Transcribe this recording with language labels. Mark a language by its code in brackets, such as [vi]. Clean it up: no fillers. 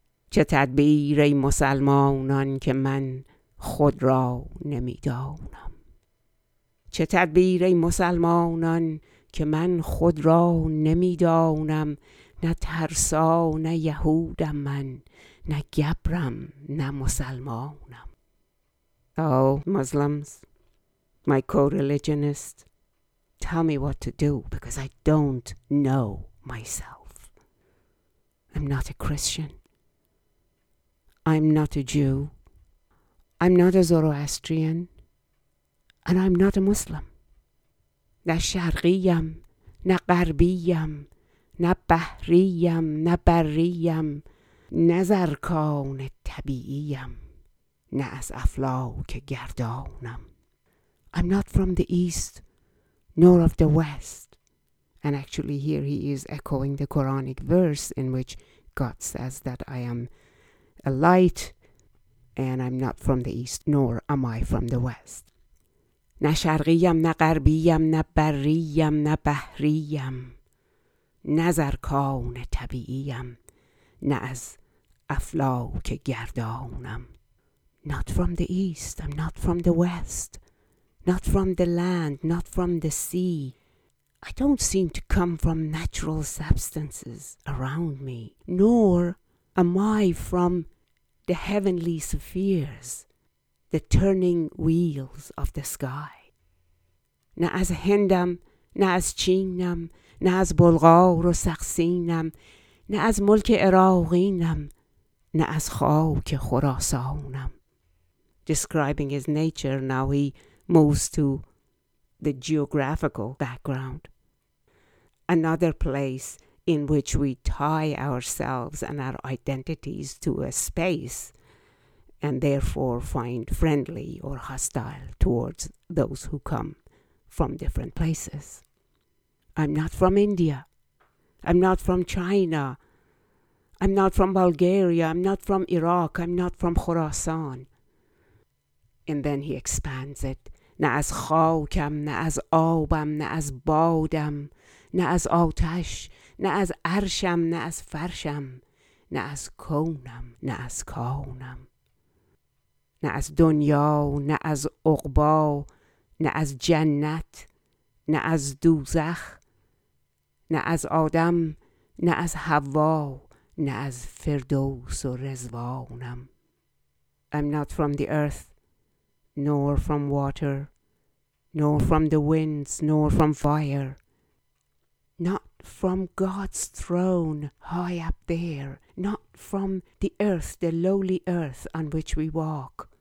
[fa] چه تدبیر ای مسلمانان که من خود را نمی دانم. چه تدبیر ای مسلمانان که من خود را نمی دانم. نه ترسا نه یهودم من، نه گبرم نه مسلمانم. [en] Oh, Muslims, my co-religionist, tell me what to do because I don't know myself. I'm not a Christian. I'm not a Jew. I'm not a Zoroastrian. And I'm not a Muslim. [fa] نه شرقیم، نه غربیم، نه بحریم، نه بریم، نه زرکان طبیعیم، نه از افلاک گردانم. [en] I'm not from the East, nor of the West. And actually here he is echoing the Quranic verse in which God says that I am a light and I'm not from the East, nor am I from the West. [fa] نه شرقیم، نه غربیم، نه بریم، نه بحریم، نه زرکان طبیعیم، نه از افلاک گردانم. [en] Not from the East, I'm not from the West. Not from the land, not from the sea. I don't seem to come from natural substances around me. Nor am I from the heavenly spheres, the turning wheels of the sky. [fa] نه از هندم، نه از چینم، نه از بلغار و سقسینم، نه از ملک عراقینم، نه از خاک خراسانم. [en] Describing his nature, now he moves to the geographical background. Another place in which we tie ourselves and our identities to a space and therefore find friendly or hostile towards those who come from different places. I'm not from India. I'm not from China. I'm not from Bulgaria. I'm not from Iraq. I'm not from Khorasan. And then he expands it. [fa] نه از خاکم، نه از آبم، نه از بادم، نه از آتش، نه از عرشم، نه از فرشم، نه از کونم، نه از کانم. نه از دنیا و نه از عقبا و نه از جنت نه از دوزخ نه از آدم نه از حوا و نه از فردوس و رضوانم. [en] I'm not from the earth nor from water nor from the winds nor from fire, not from God's throne high up there, not from the earth, the lowly earth on which we walk.